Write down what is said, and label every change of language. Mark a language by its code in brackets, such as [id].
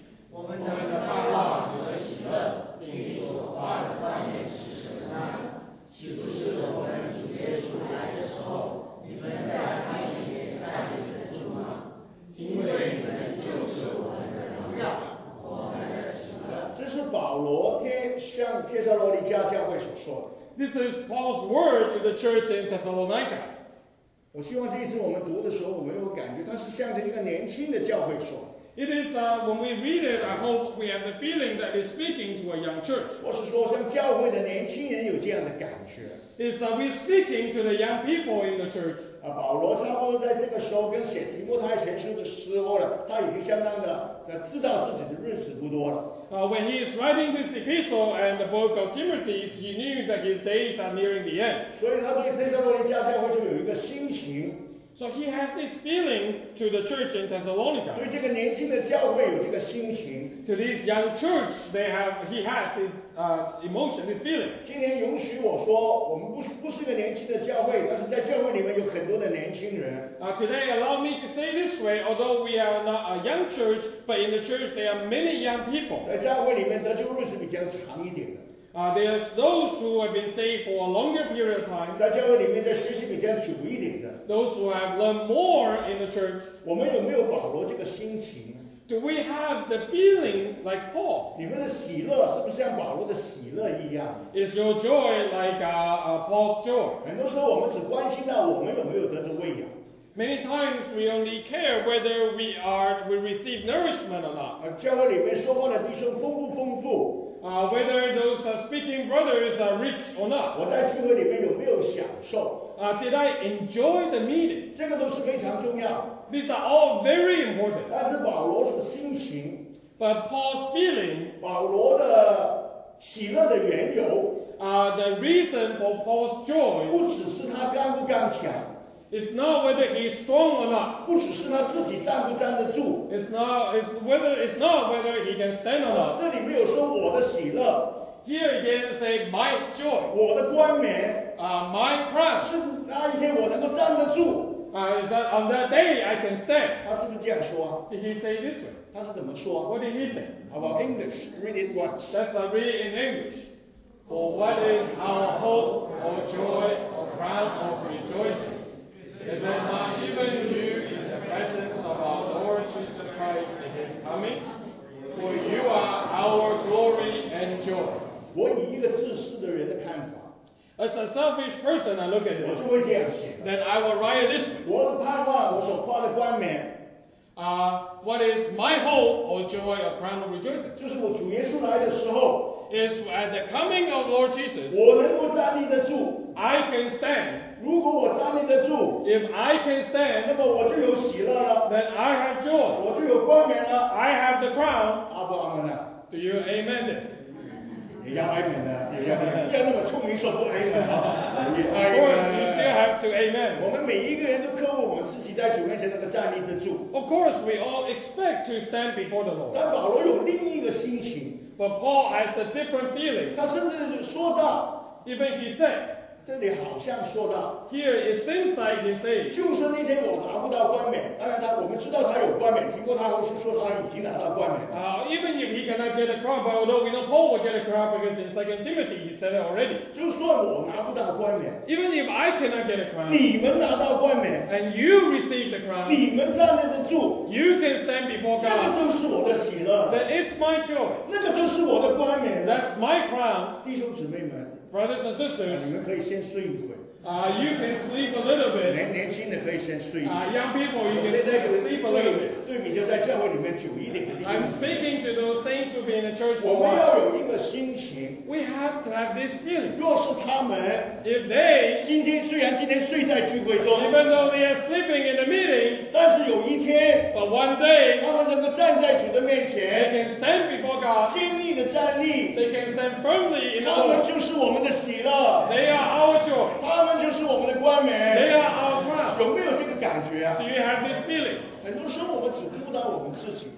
[zh] 我们的盼望和喜乐，并所夸的冠冕是什么呢？岂不是我们主耶稣来的时候，你们在他里面站立得住吗？因为你们就是我们的荣耀，我们的喜乐。这是保罗向帖撒罗尼迦教会所说的。 [en] This is Paul's word to the church in Thessalonica. [zh] 我希望这一次我们读的时候，我没有感觉，它是向着一个年轻的教会说。 [en] It is when we read it, I hope we have the feeling that it's speaking to a young church. [zh] 我是说，像教会的年轻人有这样的感觉。 [en] Is that we speaking to the young people in the church? [zh] 保罗差不多在这个时候跟写提摩太前书的时候了，他已经相当的知道自己的日子不多了。 [en] When he is writing this epistle and the book of Timothy, he knew that his days are nearing the end. [zh] 所以他对帖撒罗尼迦教会就有一个心情。 [en] So he has this feeling to the church in Thessalonica. [zh] 对这个年轻的教会有这个心情。 [en] To this young church, he has this emotion, this feeling. [zh] 今天允许我说，我们不是一个年轻的教会，但是在教会里面有很多的年轻人。 [en] Today, allow me to say this way. Although we are not a young church, but in the church there are many young people. [zh] 在教会里面得救日子比较长一点的。 [en] There are those who have been saved for a longer period of time. [zh] 在教会里面在学习比较久一点的。 [en] Those who have learned more in the church. [zh] 我们有没有保罗这个心情？ [en] Do we have the feeling like Paul? [zh] 你们的喜乐是不是像保罗的喜乐一样 [en] ？Is your joy like Paul's joy? [zh] 很多时候我们只关心到我们有没有得着喂养。 [en] Many times we only care whether we receive nourishment or not. [zh] 教会里面说话的弟兄丰不丰富 [en] ？Whether those speaking brothers are rich or not. [zh] 我在聚会里面有没有享受 [en] ？Did I enjoy the meeting? [zh] 这个都是非常重要。 [en] These are all very important. [zh] 但是保罗是心情。 [en] But Paul's feeling. [zh] 保罗的喜乐的缘由。 [en] The reason for Paul's joy. [zh] 不只是他刚不刚强。 [en] It's not whether he's strong or not. [zh] 不只是他自己站不站得住。 [en] It's not whether he can stand or not. [zh] 这里没有说我的喜乐。 [en] Here again, say my joy. [zh] 我的冠冕。 [en] My crown. [zh] 是那一天我能够站得住。 [en] On that day, I can stand. [zh] 他是不是这样说？ [en] Did he say this way? [zh] 他是怎么说？ [en] What did he say? About English, read it once. Let's read in English. For what is our hope, or joy, or crown, or rejoicing? Is it not even you in the presence of our Lord Jesus Christ in His coming? For you are our glory and joy. [zh] 我以一个自私的人的看法。 [en] As a selfish person, I look at it. [zh] 我是会这样写的。 [en] Then I will write this. [zh] 我的盼望，我所夸的冠冕。 [en] What is my hope or joy or crown of rejoicing? [zh] 就是我主耶稣来的时候。 [en] Is at the coming of Lord Jesus. [zh] 我能够站立得住。 [en] I can stand. [zh] 如果我站立得住。 [en] If I can stand. [zh] 那么我就有喜乐了。 [en] Then I have joy. [zh] 我就有冠冕了。 [en] I have the crown. [zh] 阿不阿门啊。 [en] Do you amen this? Of course, we all expect to stand before the Lord. [zh] 但保罗有另一个心情。 [en] But Paul has a different feeling. [zh] 他甚至说到。 [en] Even he said. [zh] 这里好像说到 [en] ，Here it seems like he says， [zh] 就是那天我拿不到冠冕，当然他我们知道他有冠冕，听过他是说他已经拿到冠冕。 [en] Even if he cannot get a crown, but although we know Paul will get a crown because in 2 Timothy he said it already。 [zh] 就算我拿不到冠冕 [en] ，Even if I cannot get a crown， [zh] 你们拿到冠冕 [en] ，and you receive the crown， [zh] 你们站得住 [en] ，you can stand before God， [zh] 那个就是我的喜乐 [en] ，that is my joy， [zh] 那个就是我的冠冕 [en] ，that's my crown。 [zh] 弟兄姊妹们。 [en] Brothers and sisters, [zh] 你们可以先睡一会。 [en] You can sleep a little bit. [zh] 年轻的可以先睡一会。 [en] Young people, you can sleep a little bit. [zh] 对比就在教会里面久一点的地方。 [en] I'm speaking to those saints who've been in the church for a while. [zh] 我们要有一个心情。 [en] We have to have this feeling. [zh] 若是他们 [en] ，If they， [zh] 今天虽然今天睡在聚会中 [en] ，Even though they are sleeping in the meeting， [zh] 但是有一天 [en] ，But one day， [zh] 他们能够站在主的面前 [en] ，They can stand before God， [zh] 坚毅的站立 [en] ，They can stand firmly in the Lord， [zh] 他们就是我们的喜乐 [en] ，They are our joy。 [zh] 他们就是我们的冠冕。 [en] They are our crown。 [zh] 有没有这个感觉啊 [en] ？Do you have this feeling？ [zh] 很多时候我们只顾到我们自己。